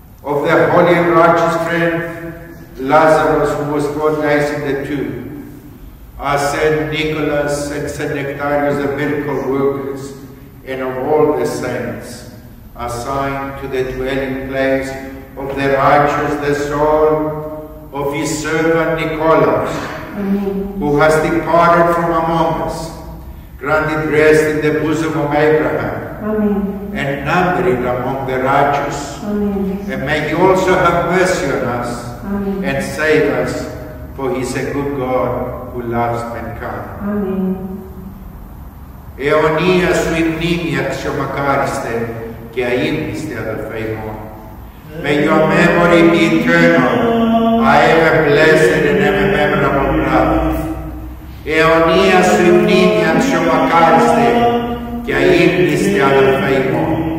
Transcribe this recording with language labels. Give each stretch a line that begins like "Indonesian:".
English: of the holy and righteous friend Lazarus, who was 4 days in the tomb, our Saint Nicholas and Saint Nectarius, the miracle workers, and of all the saints, assigned to the dwelling place of the righteous, the soul of his servant Nicholas, who has departed from among us, granted rest in the bosom of Abraham, Amen. And numbered among the righteous. Amen. And may he also have mercy on us, Amen. And save us, for he is a good God who loves mankind. Amen.
Greek: Αιωνία σου ημνήμη αξιομακάριστε και αείμνηστε αδελφέ ημών.
English: May your memory be eternal. I am a blessed and ever memorable brother.
Greek: Αιωνία σου η μνήμη αξιομακάριστε και αείμνηστε αδελφέ ημών.